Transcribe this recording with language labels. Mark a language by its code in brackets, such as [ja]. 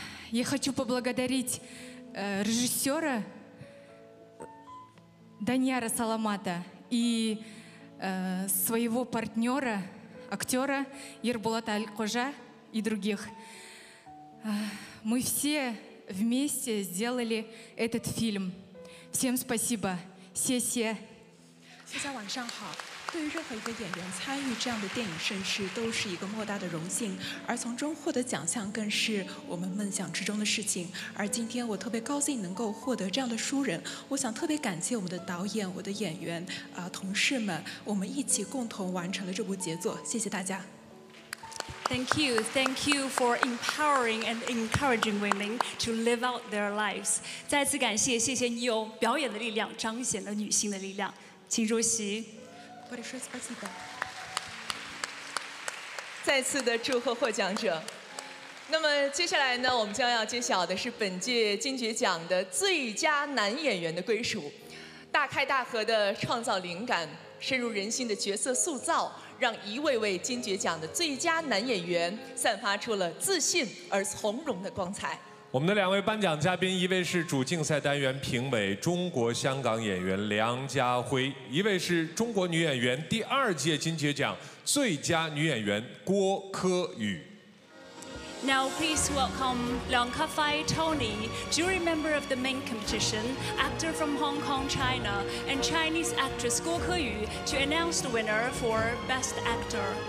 [ru] Я хочу поблагодарить... режиссера Даниара Саламата и своего партнера, актера Ербулата Аль-Кожа и других. Мы все вместе сделали этот фильм. Всем спасибо. Сесия. [zh] 大家晚上好。对于任何一个演员参与这样的电影盛事都是一个莫大的荣幸，而从中获得奖项更是我们梦想之中的事情。而今天我特别高兴能够获得这样的殊荣，我想特别感谢我们的导演、我的演员、同事们，我们一起共同完成了这部杰作，谢谢大家。 [en] Thank you for empowering and encouraging women to live out their lives. [zh] 再次感谢，谢谢你用表演的力量彰显了女性的力量，请入席。 [ru] большое спасибо. [zh] 再次的祝贺获奖者。那么接下来呢，我们将要揭晓的是本届金爵奖的最佳男演员的归属。大开大合的创造灵感，深入人心的角色塑造，让一位位金爵奖的最佳男演员散发出了自信而从容的光彩。我们的两位颁奖嘉宾，一位是主竞赛单元评委中国香港演员梁家辉，一位是中国女演员第二届金爵奖最佳女演员郭柯宇。 [en] Now please welcome Leong Ka Fai Tony, jury member of the main competition, actor from Hong Kong, China, and Chinese actress Guo Keyu to announce the winner for Best Actor.